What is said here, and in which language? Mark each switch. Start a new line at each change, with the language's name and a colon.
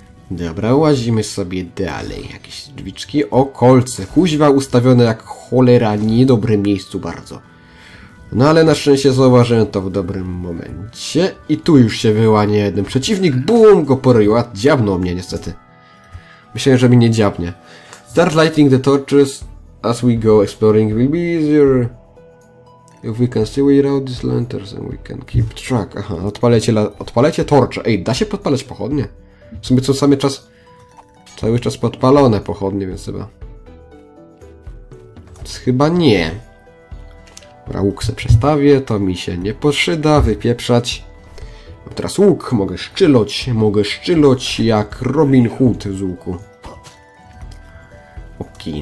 Polish: Dobra, łazimy sobie dalej. Jakieś drzwiczki. O, kolce. Kuźwa ustawione jak cholera, niedobrym miejscu bardzo. No ale na szczęście zauważyłem to w dobrym momencie. I tu już się wyłania jeden przeciwnik. Bum! Go poroił. A diabnął mnie niestety. Myślałem, że mi nie diabnie.
English: Start lighting the torches as we go. Exploring will be easier. If we can see without these lanterns and we can keep track.
Polish: Aha, odpalecie torcze. Ej, da się podpalać pochodnie? W sumie są sami czas... cały czas podpalone pochodnie, więc chyba... chyba nie. Dobra, łuk se przestawię, to mi się nie poszyda, wypieprzać. Mam teraz łuk, mogę szczyloć jak Robin Hood z łuku. Ok, czarnuszki.